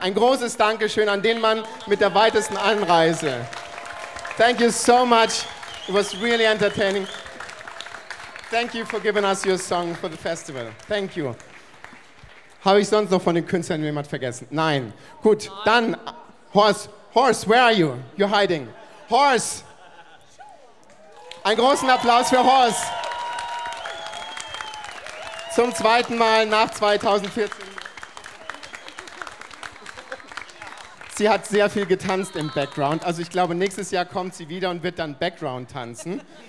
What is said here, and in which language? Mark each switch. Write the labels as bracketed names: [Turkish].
[German] Ein großes Dankeschön an den Mann mit der weitesten Anreise. [English] Thank you so much. It was really entertaining. Thank you for giving us your song for the festival. Thank you. [German] Habe ich sonst noch von den Künstlern jemand vergessen? Nein. Gut, dann [English] Horst, where are you? You're hiding. Horst. [German] Einen großen Applaus für Horst. Zum zweiten Mal nach 2014. Sie hat sehr viel getanzt im Background. Also ich glaube, nächstes Jahr kommt sie wieder und wird dann Background tanzen.